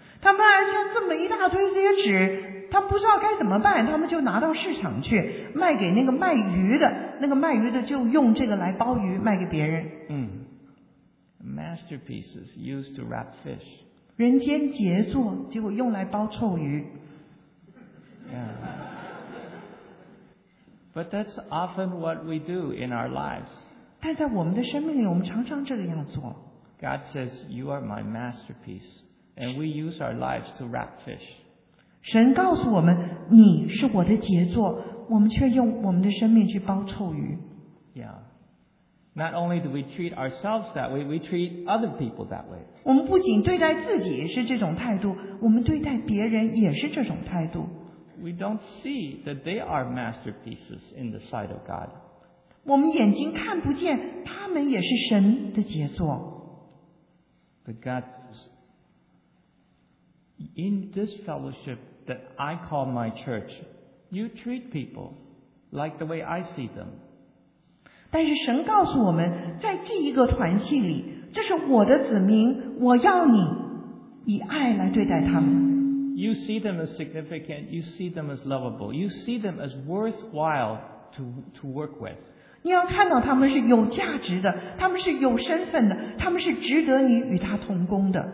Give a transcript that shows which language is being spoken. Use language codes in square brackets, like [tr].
[zh] 他们而且这么一大堆这些纸，他们不知道该怎么办，他们就拿到市场去卖给那个卖鱼的，那个卖鱼的就用这个来包鱼卖给别人。 [en] Masterpieces used to wrap fish. [zh] 人间杰作，结果用来包臭鱼。 [en] But that's often what we do in our lives. [zh] 但在我们的生命里，我们常常这个样做。 [en] God says, "You are my masterpiece," and we use our lives to wrap fish. [zh] 神告诉我们，你是我的杰作，我们却用我们的生命去包臭鱼。 [en] Yeah. Not only do we treat ourselves that way, we treat other people that way. [zh] 我们不仅对待自己是这种态度，我们对待别人也是这种态度。 [en] We don't see that they are masterpieces in the sight of God. [zh] 我们眼睛看不见，他们也是神的杰作。 [en] But God says, in this fellowship that I call my church, you treat people like the way I see them. [zh] 但是神告诉我们，在这一个团契里，这是我的子民，我要你以爱来对待他们。 [en] You see them as significant, you see them as lovable, you see them as worthwhile to work with. [zh] 你要看到他们是有价值的，他们是有身份的，他们是值得你与他同工的。